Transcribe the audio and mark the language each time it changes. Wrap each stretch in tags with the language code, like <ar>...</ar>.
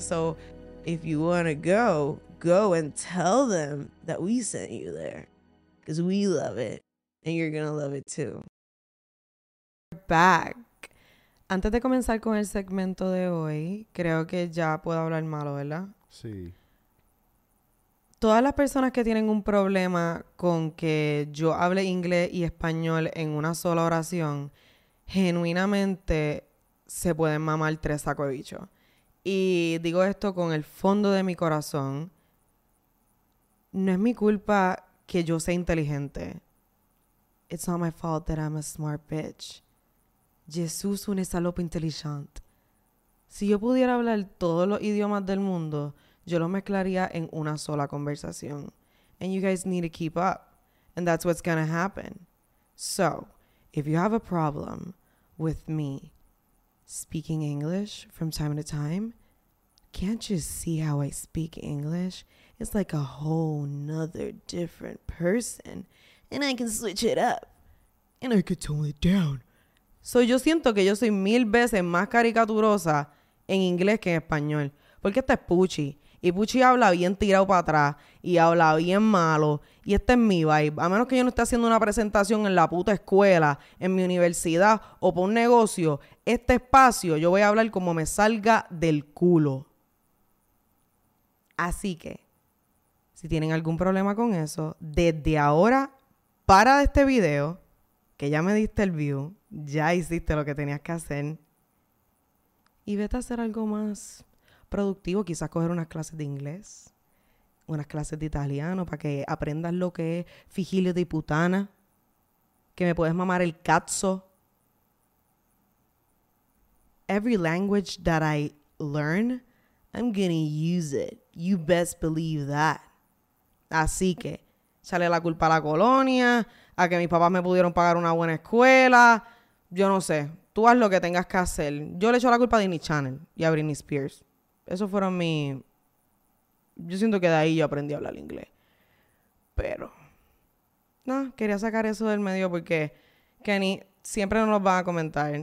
<en>So, if you wanna go, go and tell them that we sent you there, because we love it and you're gonna love it too. We're back.</en> <es>Antes de comenzar con el segmento de hoy, creo que ya puedo hablar malo, ¿verdad? Sí. Todas las personas que tienen un problema con que yo hable inglés y español en una sola oración, genuinamente se pueden mamar tres sacos de bicho. Y digo esto con el fondo de mi corazón. No es mi culpa que yo sea inteligente.</es> <en>It's not my fault that I'm a smart bitch.</en> <es>Jesús un salope inteligente. Si yo pudiera hablar todos los idiomas del mundo, yo los mezclaría en una sola conversación.</es> <en>And you guys need to keep up. And that's what's gonna happen. So, if you have a problem with me speaking English from time to time, can't you see how I speak English? It's like a whole nother different person. And I can switch it up. And I can tone it down.</en> <es>So yo siento que yo soy mil veces más caricaturosa en inglés que en español. Porque este es Pucci. Y Pucci habla bien tirado para atrás. Y habla bien malo. Y este es mi vibe. A menos que yo no esté haciendo una presentación en la puta escuela, en mi universidad o por un negocio, este espacio yo voy a hablar como me salga del culo. Así que, si tienen algún problema con eso, desde ahora, para este video, que ya me diste el view, ya hiciste lo que tenías que hacer, y vete a hacer algo más productivo, quizás coger unas clases de inglés, unas clases de italiano, para que aprendas lo que es</es> <it>figilio de putana,</it> <es>que me puedes mamar el cazzo.</es> <en>Every language that I learn, I'm gonna use it. You best believe that.</en> <es>Así que, sale la culpa a la colonia, a que mis papás me pudieron pagar una buena escuela. Yo no sé. Tú haz lo que tengas que hacer. Yo le echo la culpa a Disney Channel y a Britney Spears. Eso fueron mi... Yo siento que de ahí yo aprendí a hablar inglés. Pero, no, quería sacar eso del medio porque Kenny siempre nos lo va a comentar.</es>